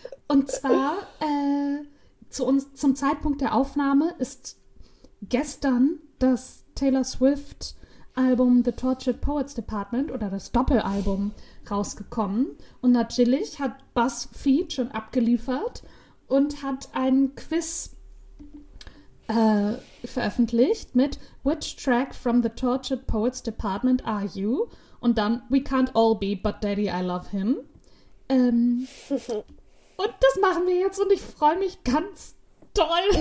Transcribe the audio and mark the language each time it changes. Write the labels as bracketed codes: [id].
[de] Und zwar zum Zeitpunkt der Aufnahme ist gestern das Taylor Swift Album The Tortured Poets Department oder das Doppelalbum rausgekommen. Und natürlich hat BuzzFeed schon abgeliefert und hat ein Quiz veröffentlicht mit [en] Which track from the Tortured Poets Department are you? [de] Und dann [en] We can't all be, but Daddy, I love him. [de] Und das machen wir jetzt und ich freue mich ganz doll.